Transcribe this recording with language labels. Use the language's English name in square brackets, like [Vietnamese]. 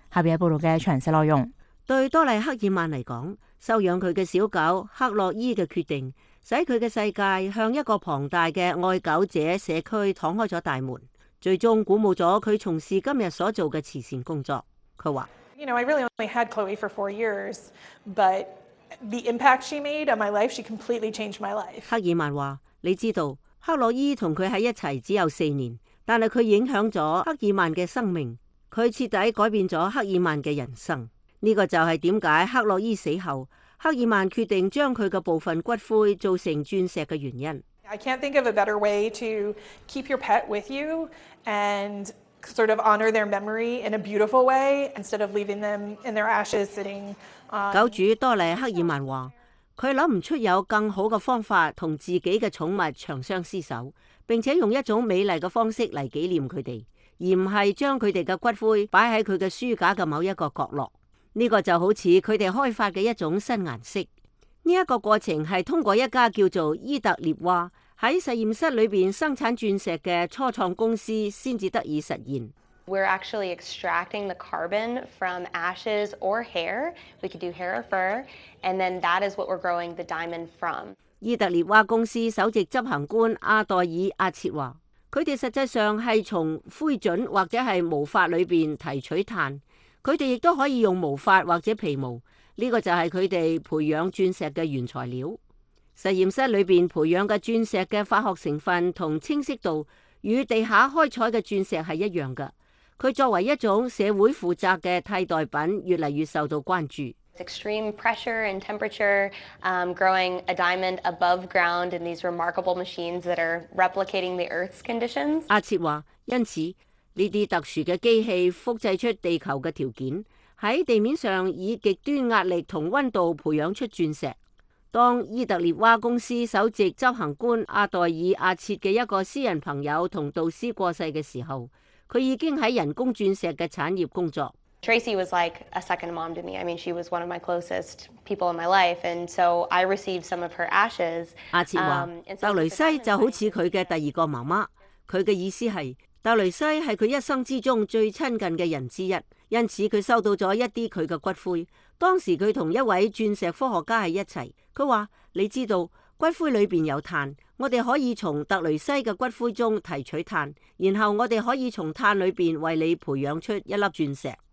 [Chinese] 下面是报道的详细内容。对多丽克尔曼来说，收养他的小狗克洛伊的决定使他的世界向一个庞大的爱狗者社区敞开了大门，最终鼓舞了他从事今天所做的慈善工作。他说， [English] You know, I really only had Chloe for 4 years, but the impact she made on my life, she completely changed my life. [Chinese] 克尔曼说，你知道克洛伊和他在一起只有4年，但是他影响了克尔曼的生命，他彻底改变了克尔曼的人生。这个就是为什么克洛伊死后克尔曼决定将他的部分骨灰做成钻石的原因。 [English] I can't think of a better way to keep your pet with you and sort of honor their memory in a beautiful way instead of leaving them in their ashes sitting on... [Chinese] 狗主多利克尔曼说，他想不出有更好的方法和自己的宠物长相厮守，并且用一种美丽的方式来纪念他们，而不是将他们的骨灰放在他的书架的某一个角落。这个就好像他们开发的一种新颜色。这个过程是通过一家叫做伊特列娃在实验室里面生产钻石的初创公司才得以实现。 [English] We're actually extracting the carbon from ashes or hair. We could do hair or fur. And then that is what we're growing the diamond from. [Chinese] 伊特列娃公司首席执行官阿黛尔阿切说，他们实际上是从灰烬或者是毛发里面提取碳。他们亦可以用毛发或者皮毛。这个就是他们培养钻石的原材料。实验室里面培养的钻石的化学成分和清晰度与地下开采的钻石是一样的。它作为一种社会负责的替代品越来越受到关注。 [English] Extreme pressure and temperature, growing a diamond above ground in these remarkable machines that are replicating the Earth's conditions. [Chinese] 阿切说，因此这些特殊的机器复制出地球的条件，在地面上以极端压力和温度培养出钻石。当伊特列娃公司首席执行官阿黛尔阿切的一个私人朋友和导师过世的时候，他已经在人工钻石的产业工作。 [English] Tracy was like a second mom to me. I mean, she was one of my closest people in my life. And so I received some of her ashes. [Chinese] 阿切说，德雷西就好像他的第二个妈妈。他的意思是，德雷西是他一生之中最亲近的人之一，因此他收到了一些他的骨灰。当时他和一位钻石科学家在一起，他说，你知道骨灰里面有碳，我们可以从德雷西的骨灰中提取碳，然后我们可以从碳里面为你培养出一粒钻石。